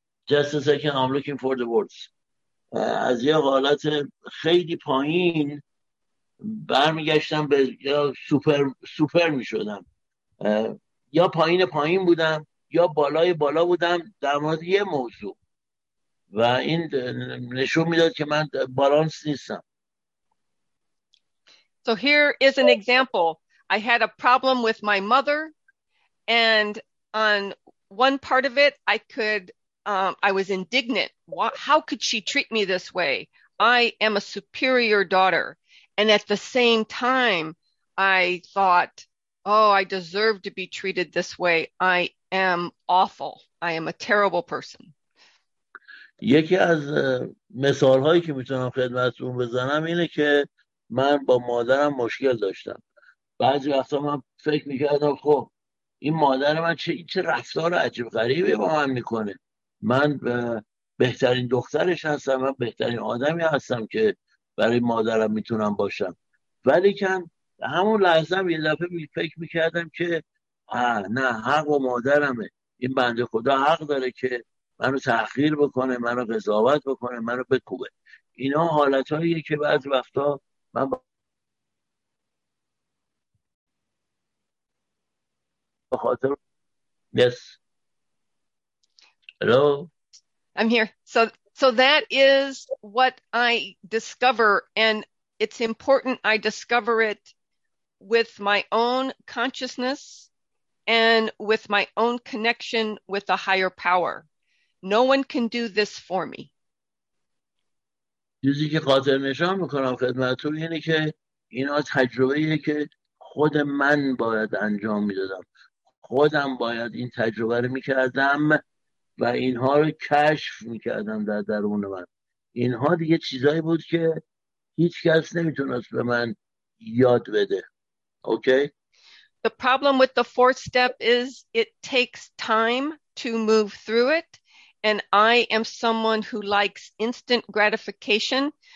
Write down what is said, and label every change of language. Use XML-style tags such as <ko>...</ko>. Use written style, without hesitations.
<en>just a second I'm looking for the words</en> <fa>از یه حالت خیلی پایین برمیگشتم به سوپر میشدم، یا پایین پایین بودم یا بالای بالا بودم در مورد یه موضوع، و این نشون میداد که من بالانس نیستم.</fa> <en>So here is an example. I had a problem with my mother and on one part of it I could I was indignant. How could she treat me this way? I am a superior daughter. And at the same time, I thought, oh, I deserve to be treated this way. I am awful. I am a terrible person.</en> <fa>یکی از مثال‌هایی که میتونم خدمتتون بزنم اینه که من با مادرم مشکل داشتم. بعضی وقتا من فکر می‌کردم خب این مادر من چه رفتار عجیب غریبی با من می‌کنه. من بهترین دخترش هستم، من بهترین آدمی هستم که برای مادرم میتونم باشم، ولیکن همون لحظه هم یه دفعه فکر میکردم که نه، حق و مادرمه، این بنده خدا حق داره که منو تأخیر بکنه، منو قضاوت بکنه، منو بکوبه. اینا حالت هاییه که بعض وقتا من بخاطر</fa> <en>Yes. Hello. I'm here. So that is what I discover, and it's important I discover it with my own consciousness and with my own connection with a higher power. No one can do this for me.</en> <fa>چیزی که خاطر نشان میکنم خدمتتون اینه که اینا تجربه‌ایه که خود من باید انجام میدادم. خودم باید این تجربه رو میکردم و اینها رو کشف میکردم در درون من. اینها دیگه چیزایی بود که هیچ کس نمیتونست به من یاد بده. اوکی؟</fa> <en>The problem with the fourth step is it takes time to move through it. And I am someone who likes instant gratification.</en>